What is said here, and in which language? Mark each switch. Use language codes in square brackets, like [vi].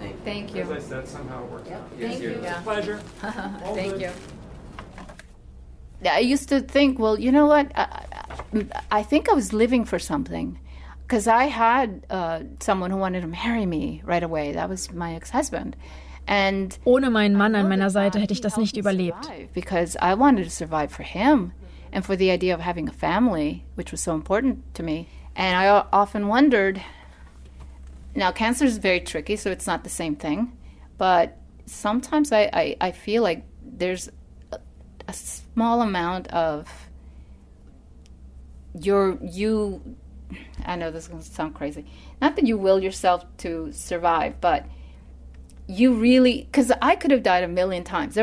[en] Thank you. As I said, somehow it works out. Thank you. It's a pleasure. Thank you. I used to think, well, you know what? I think I was living for something. Because I had someone who wanted to marry me right away. That was my ex-husband. And [de] ohne meinen Mann an meiner Seite hätte ich das nicht überlebt. [en] Because I wanted to survive for him. And for the idea of having a family, which was so important to me. And I often wondered, now cancer is very tricky, so it's not the same thing, but sometimes I feel like there's a small amount of I know this is going to sound crazy, not that you will yourself to survive, but you really, because I could have died a million times.